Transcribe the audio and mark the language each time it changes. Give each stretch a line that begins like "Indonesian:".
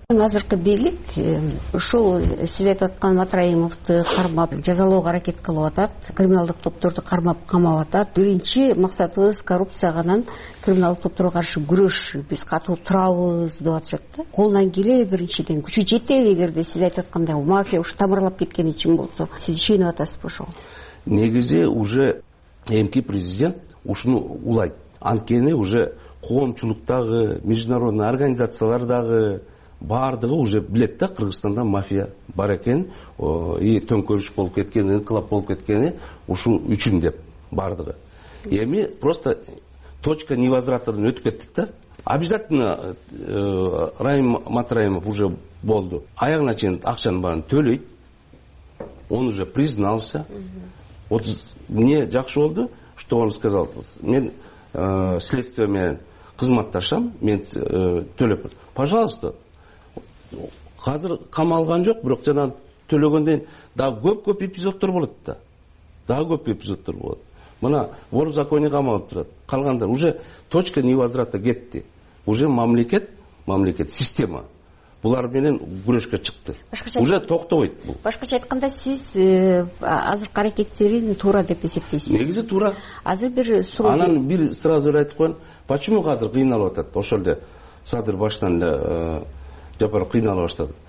Kyrgyz: Азыркы бийлик ушул сиз айтып аткан Матраимовду кармап жазалоого аракет кылып атат, криминалдык топторду кармап камап атат. Биринчи максатыбыз коррупцияга анан криминалдык топторго каршы күрөш, биз катуу турабыз деп атышат да. Колунан келе биринчиден күчү жетеби, эгерде сиз айтып аткандай мафия ушу тамырлап кеткени чын болсо, сиз ишенип атасызбы ошого? Негизи уже эмки президент ушуну улайт. Анткени уже коомчулуктагы, международный организациялар дагы баардыгы уже билет да Кыргызстанда мафия бар экен и төңкөрүш болуп кеткен, инкылап болуп кеткени ушул үчүн деп баардыгы. Эми просто точка невозвратынан өтүп кеттик да. Обязательно Райым Матраимов уже болду. Аягына чейин акчанын баарын төлөйт.
Russian: Он уже признался. Вот мне
Kyrgyz: жакшы болду,
Russian: что он сказал.
Kyrgyz: Мен следствие менен кызматташам, мен төлөп. Пожалуйста. Азыр камалган жок, бирок жана төлөгөндөн дагы көп-көп эпизодтор болот да. Дагы көп эпизодтор болот. Мына
Russian: вор в законе
Kyrgyz: камалып турат. Калгандар уже
Russian: точка невозврата
Kyrgyz: кетти. Уже мамлекет, система булар менен күрөшкө чыкты. Уже токтобойт бул. Башкача айтканда сиз азыркы аракеттерин туура деп эсептейсиз. Негизи туура. Азыр бир суроо. Анан бир сразу эле айтып коёюн. Почему азыр кыйналып атат? Ошол эле Садыр баштан эле Жапаров кыйнала баштады.